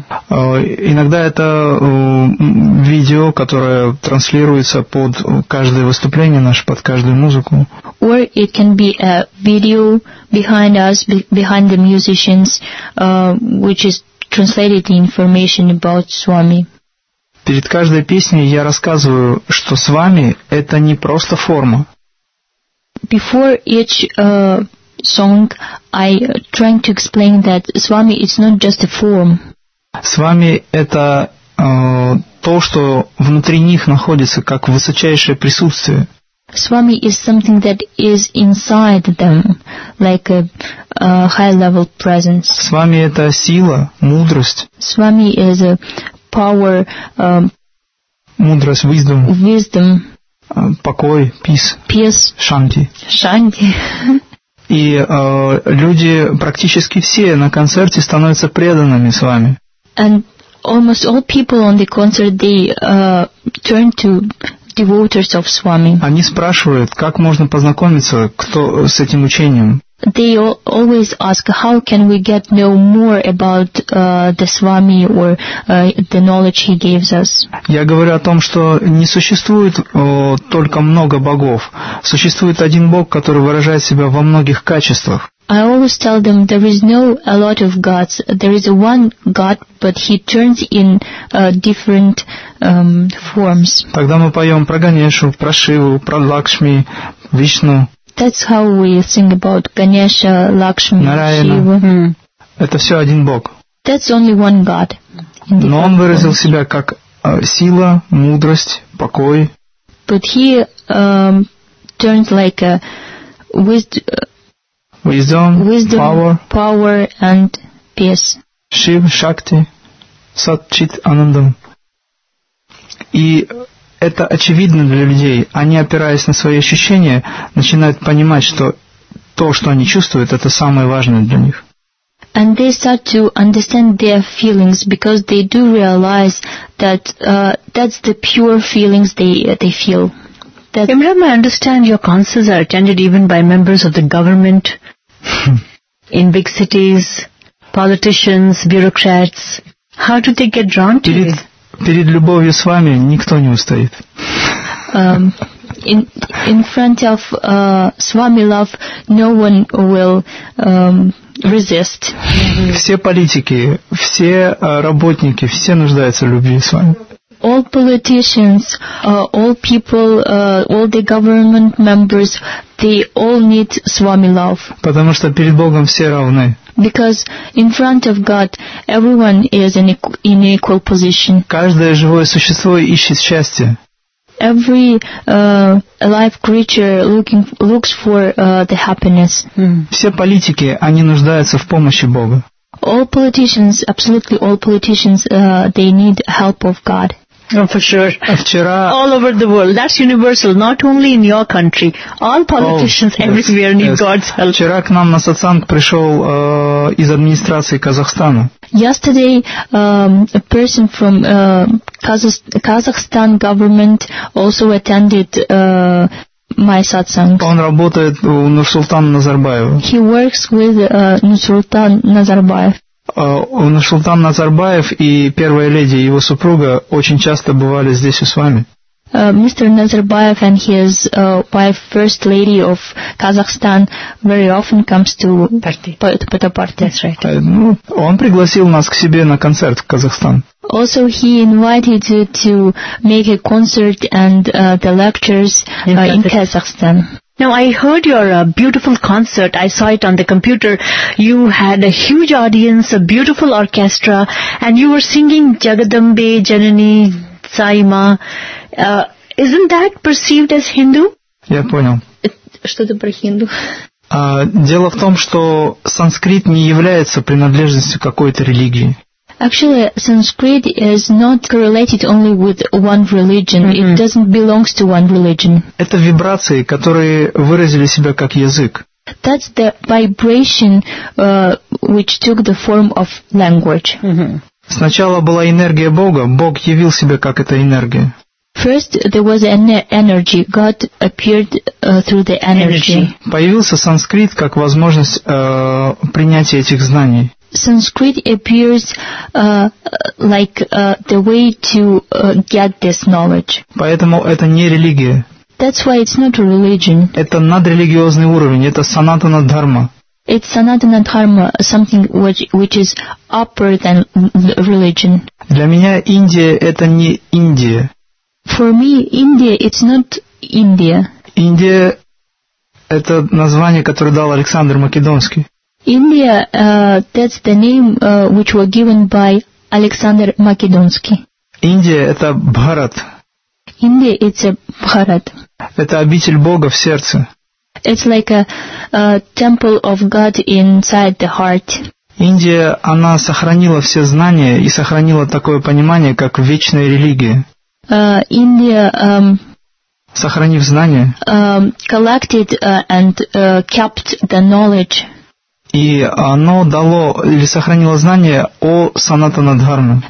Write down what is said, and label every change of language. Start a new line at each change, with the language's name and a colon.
Russian: Иногда это видео, которое транслируется под каждое выступление наше, под каждую музыку.
English: Or it can be a video behind us, behind the musicians, which is translated the information about Swami.
Russian: Перед каждой песней я рассказываю, что Свами — это не просто форма.
English: Before each song, I trying to explain that Swami is not just a form.
Russian: Свами это то, что внутри них находится как высочайшее присутствие.
English: Swami is something that is inside them, like a high level presence.
Russian: Свами это сила, мудрость.
English: Swami is a power.
Russian: Мудрость,
English: wisdom. Wisdom.
Russian: Покой,
English: peace. Peace.
Russian: Шанти. Шанти. И люди практически все на концерте становятся преданными с вами.
English: And almost all people on the concert they turn to devotees of Swami.
Russian: Они спрашивают, как можно познакомиться кто с этим учением.
English: They always ask, how can we get know more about the Swami or the knowledge he gives us.
Russian: Я говорю о том, что не существует только много богов. Существует один бог, который выражает себя во многих качествах.
English: I always tell them there is no a lot of gods. There is one God, but he turns in different forms.
Russian: Тогда мы поем про Ганешу, про Шиву, про Лакшми, Вишну.
English: That's how we think about Ganesha, Lakshmi, Narayana. Shiva.
Russian: Hmm. Это все один бог.
English: That's only one God.
Russian: Но он выразил себя как сила, мудрость, покой.
English: But he turns like a wisdom. Wisdom, power and peace.
Sanskrit: Shiv, Shakti, Sat, Chit, Anandam.
Russian: И это очевидно для людей. Они, опираясь на свои ощущения, начинают понимать, что то, что они чувствуют, это самое важное для них.
English: And they start to understand their feelings because they do realize that that's the pure feelings they feel. Imran, I understand your concerts are attended even by members of the government. In big cities, politicians, bureaucrats, how do they get drawn to it?
Russian: Перед любовью с вами никто не устоит.
English: In front of Swami love, no one will resist.
Russian: Все политики, все работники, все нуждаются в любви с вами.
English: All politicians, all people, all the government members, they all need Swami love.
Russian: Потому что перед Богом все равны.
English: Because in front of God, everyone is in equal position.
Russian: Каждое живое существо ищет счастье.
English: Every alive creature looks for the happiness.
Russian: Все политики, они нуждаются в помощи Бога.
English: All politicians, absolutely all politicians, they need help of God. Oh, for sure.
Russian: Вчера,
English: all over the world. That's universal. Not only in your country. All politicians everywhere need God's help.
Russian: Вчера к нам на сатсанг пришел из администрации Казахстана.
English: Yesterday, a person from Kazakhstan government also attended my satsang.
Russian: Он работает у Нурсултана Назарбаева.
English: He works with Нурсултан Назарбаев.
Russian: Нурсултан Назарбаев и первая леди и его супруга очень часто бывали здесь у с вами.
English: Mr. Nazarbayev and his wife, first lady of Kazakhstan, very often comes to Puttaparthi. That's right.
Russian: Ну, он пригласил нас к себе на концерт в Казахстан.
English: Also, he invited you to make a concert and the lectures in Kazakhstan. Now, I heard your beautiful concert. I saw it on the computer. You had a huge audience, a beautiful orchestra, and you were singing Jagadambe, Janani, Sai Ma. Isn't that perceived as Hindu?
Russian: Я понял. Что-то про Hindu. Дело в том, что санскрит не является принадлежностью какой-то религии.
English: Actually, Sanskrit is not correlated only with one religion. Mm-hmm. It doesn't belong to one religion.
Russian: Это вибрации, которые выразили себя как язык.
English: That's the vibration which took the form of language. Mm-hmm.
Russian: Сначала была энергия Бога, Бог явил себя как эта энергия.
English: First, there was an energy. God appeared through the energy.
Russian: Появился санскрит как возможность принятия этих знаний.
English: Sanskrit appears like the way to get this knowledge.
Russian: Поэтому это не религия.
English: That's why it's not a religion.
Russian: Это надрелигиозный уровень, это санатана дхарма.
English: It's санатана дхарма, something which is upper than religion.
Russian: Для меня Индия это не Индия.
English: For me, India it's not India.
Russian: Индия это название, которое дал Александр Македонский.
English: India, that's the name which was given by Alexander Makedonsky.
Russian: India, это Bharat.
English: India, it's a Bharat.
Russian: Это обитель Бога в сердце.
English: It's like a temple of God inside the heart.
Russian: India, она сохранила все знания и сохранила такое понимание, как вечная религия.
English: India,
Russian: сохранив знания,
English: collected and kept the knowledge.
Russian: И оно дало или сохранило знание о Санатана Дхарме.